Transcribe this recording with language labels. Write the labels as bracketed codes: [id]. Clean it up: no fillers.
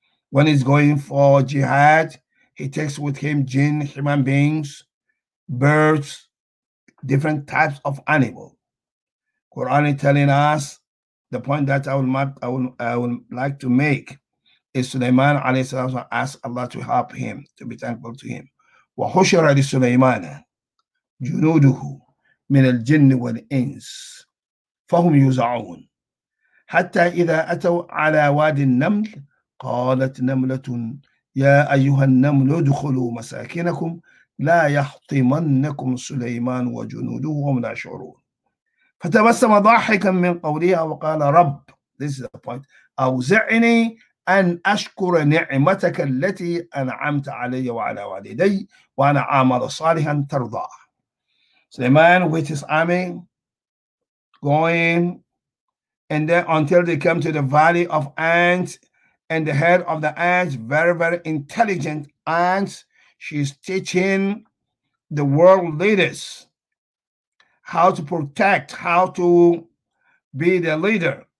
[en] When he's going for jihad, he takes with him jinn, human beings, birds, different types of animal. Quran is telling us the point that I would like to make is Sulaiman alayhi salam asked Allah to help him, to be thankful to him. [ar] Wa hushira li Sulaiman junuduhu min al-jinn wal-ins fahum yuz'un hatta idha ataw ala wadi an-naml qalat namlatun ya ayyuha an-naml udkhulu masakinakum لا يحطمنكم سليمان وجنوده وهم لا يشعرون فتبسم ضاحكا من قولها وقال رب [en] this is the point [ar] أوزعني أن أشكر نعمتك التي أنعمت علي وعلى والدي وأنا أعمل صالحا ترضى. [en] سليمان with his army going, and then until they come to the valley of ants, and the head of the ants, very very intelligent ants. She's teaching the world leaders how to protect, how to be the leader,